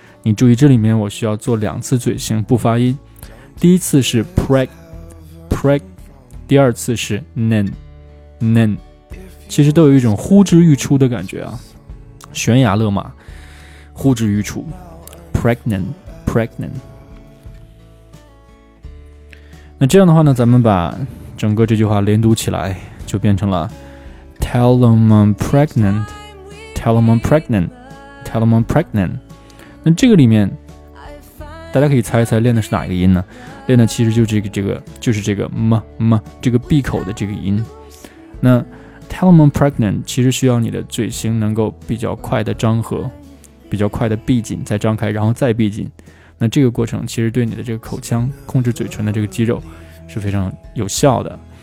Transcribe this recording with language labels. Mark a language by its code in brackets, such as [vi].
[zh] 你注意这里面我需要做两次嘴型不发音，第一次是 preg preg， 第二次是 nen nen， 其实都有一种呼之欲出的感觉啊，悬崖勒马呼之欲出 [en] pregnant pregnant。 [zh] 那这样的话呢，咱们把整个这句话连读起来就变成了 [en] Tell them I'm pregnant, Tell them I'm pregnant, [zh] Tell them I'm pregnant。那这个里面大家可以猜一猜练的是哪一个音呢？练的其实就是这个就是这个 m 这个闭口的这个音。那 [en] Tell them I'm pregnant [zh] 其实需要你的嘴型能够比较快的张合，比较快的闭紧再张开然后再闭紧，那这个过程其实对你的这个口腔控制嘴唇的这个肌肉是非常有效的。